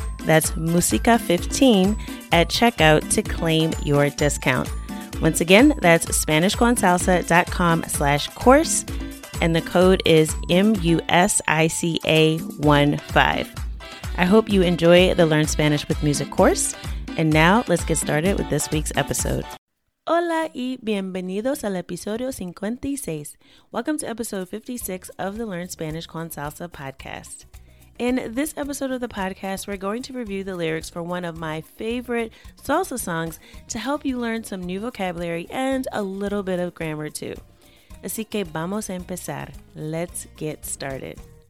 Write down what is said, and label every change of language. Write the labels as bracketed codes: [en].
[en] That's MUSICA15 at checkout to claim your discount. Once again, that's SpanishConSalsa.com/course and the code is MUSICA15. I hope you enjoy the Learn Spanish with Music course. And now let's get started with this week's episode. [es] Hola y bienvenidos al episodio 56. [en] Welcome to episode 56 of the Learn Spanish con Salsa podcast. In this episode of the podcast, we're going to review the lyrics for one of my favorite salsa songs to help you learn some new vocabulary and a little bit of grammar too. [es] Así que vamos a empezar. [en] Let's get started.